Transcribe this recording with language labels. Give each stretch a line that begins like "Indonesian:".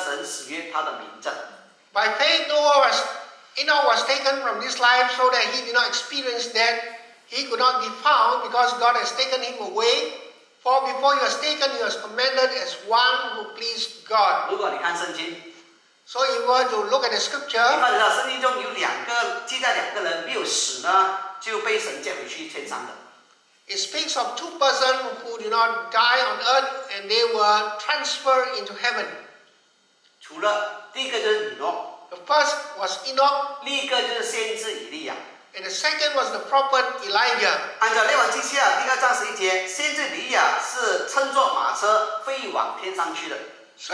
Chinese: 那么第五节说，以诺因着信被接去，不至于见死，人也找不着他，因为神已经把他接去了，只是他被接去以先，已经得了神喜悦他的名证。By
English: faith Noah was Enoch was taken from this life, so that he did not experience death. He could not be found because God has taken him away. For before he was taken, he was commended as one who pleased God.
Chinese: 如果你看圣经,
English: so if you were to look at the scripture,
Chinese: 你看到圣经中有两个记载两个人没有死呢，就被神接回去天上的。
English: It speaks of two persons who did not die on earth and they were transferred into heaven.
Chinese: 除了第一个就是以诺。
English: The first was Enoch.
Chinese: 另一个就是先知以利亚。
English: And the second was the prophet Elijah.
Chinese: 按照列王记下第二章十一节，先知以利亚是乘坐马车飞往天上去的。So